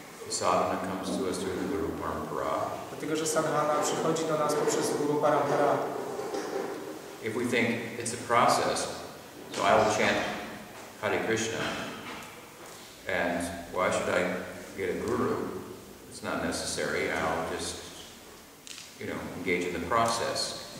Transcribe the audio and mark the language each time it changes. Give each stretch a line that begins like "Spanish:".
English: Sadhana comes to us through the Guru Parampara.
Polish: Dlatego że sadhana przychodzi do nas poprzez Guru Parampara.
English: If we think it's a process, so I will chant Hare Krishna, and why should I get a guru? It's not necessary. I'll just, you know, engage in the process.